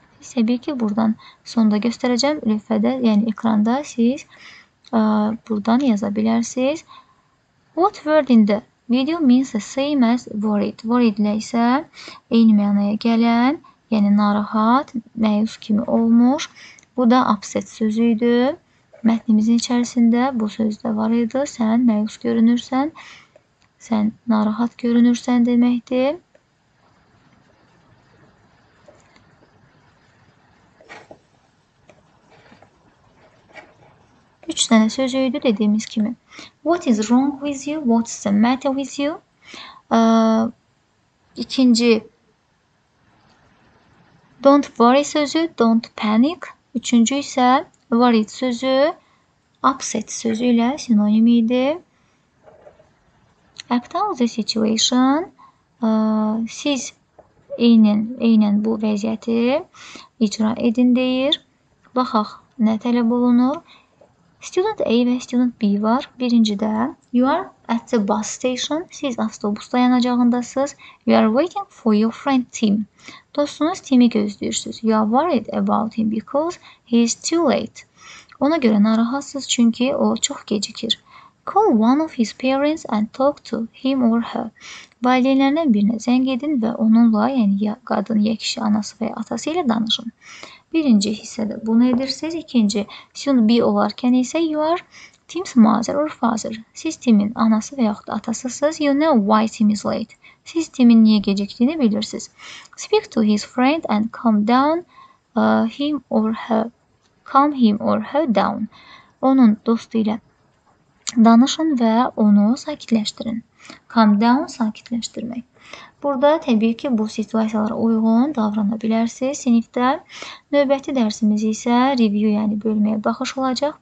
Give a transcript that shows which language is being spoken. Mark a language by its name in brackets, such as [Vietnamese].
[Azerbaijani] Təbii ki, buradan sonda göstərəcəm. Lövhədə, yəni ekranda siz buradan yaza bilərsiniz. [English] What word in the video means the same as worried? [Azerbaijani] Worried ilə isə eyni mənaya gələn, yəni narahat, məyus kimi olmuş. Bu da upset sözü idi. Mətnimizin içərisində bu söz də var idi. Sən məyus görünürsən, sən narahat görünürsən deməkdir. Üç dənə sözüydü dediyimiz kimi. [English] What is wrong with you? What's the matter with you? İkinci, don't worry sözü, don't panic. [Azerbaijani] Üçüncü isə worried sözü, upset sözü ilə sinonim idi. [English] Act out the situation. [Azerbaijani] Siz eynən bu vəziyyəti icra edin deyir. Baxaq, nə tələb olunur? Student A və student B var. [English] Birincidə, you are at the bus station. [Azerbaijani] Siz avtobus dayanacağındasınız. [English] You are waiting for your friend Tim. [Azerbaijani] Dostunuz Tim'i gözləyirsiniz. [English] You are worried about him because he is too late. [Azerbaijani] Ona görə narahatsız çünki o çox gecikir. [English] Call one of his parents and talk to him or her. [Azerbaijani] Valideynlərindən birinə zəng edin və onunla, yəni ya qadın, ya kişi, anası və ya atası ilə danışın. Birinci hissədə bunu edirsiniz. İkinci, student B olarkən isə [English] you are Tim's mother or father. [Azerbaijani] Siz Tim'in anası və yaxud atasısınız. [English] You know why Tim is late. [Azerbaijani] Siz Tim'in niyə gecikdiyini bilirsiniz. [English] Speak to his friend and calm down him or her. Calm him or her down. [Azerbaijani] Onun dostu ilə danışın və onu sakitləşdirin. Calm down, sakitləşdirmək. Burada təbii ki, bu situasiyalara uyğun davrana bilərsiniz sinifdə. Növbəti dərsimiz isə review, yəni bölməyə baxış olacaq.